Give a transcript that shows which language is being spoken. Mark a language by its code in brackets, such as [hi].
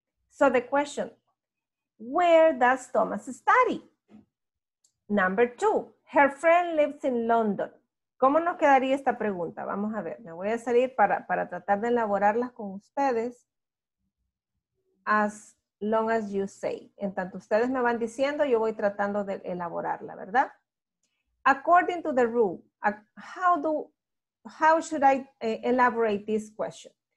[en] So, the question, where does Thomas study? Number two, her friend lives in London. [es] ¿Cómo nos quedaría esta pregunta? Vamos a ver, me voy a salir para tratar de elaborarlas con ustedes. [en] As long as you say. [es] En tanto ustedes me van diciendo, yo voy tratando de elaborarla, ¿verdad? [en] According to the rule, how should I elaborate this question?